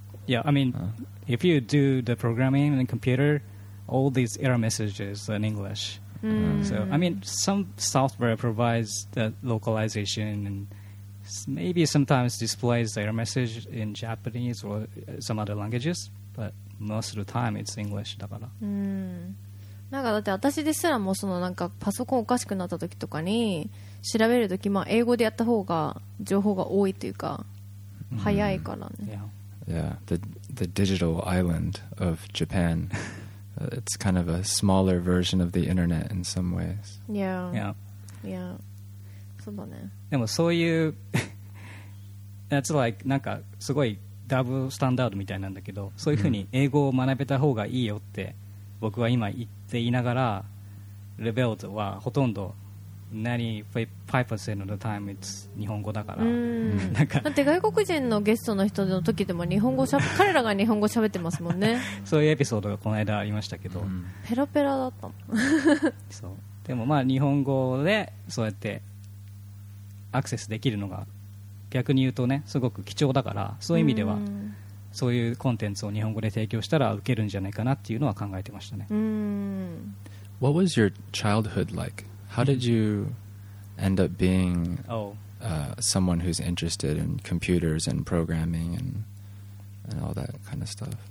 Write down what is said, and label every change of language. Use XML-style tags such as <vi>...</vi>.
<en>Yeah, I mean, if you do the programming and computer, all these error messages are in English. So, I mean, some software provides the localization and maybe sometimes displays the error message in Japanese or some other languages, but most of the time it's English.</en> <ja>だから。なんかだって私ですらもそのなんかパソコンおかしくなった時とかに調べる時、まあ英語でやった方が情報が多いというか早いからね。</ja> <en>Yeah, the digital island of Japan. It's kind of a smaller version of the internet in some ways. Yeah.</en> <ja>Yeah. そうだね。でもそういう、</ja> <en>that's like</en> <ja>なんかすごいダブルスタンダードみたいなんだけど、そういうふうに英語を学べた方がいいよって僕は今言っていながら、レベルはほとんど</ja> <en>95% of the time it's</en> <ja>日本語だから、なんかだって外国人のゲストの人の時でも日本語彼らが日本語喋ってますもんね。そういうエピソードがこの間ありましたけど、ペラペラだったもん。そう、でもまあ日本語でそうやってアクセスできるのが逆に言うとね、すごく貴重だから、そういう意味ではそういうコンテンツを日本語で提供したら受けるんじゃないかなっていうのは考えてましたね。</ja> <en>What was your childhood like? How did you end up being someone who's interested in computers and programming and all that kind of stuff?</en>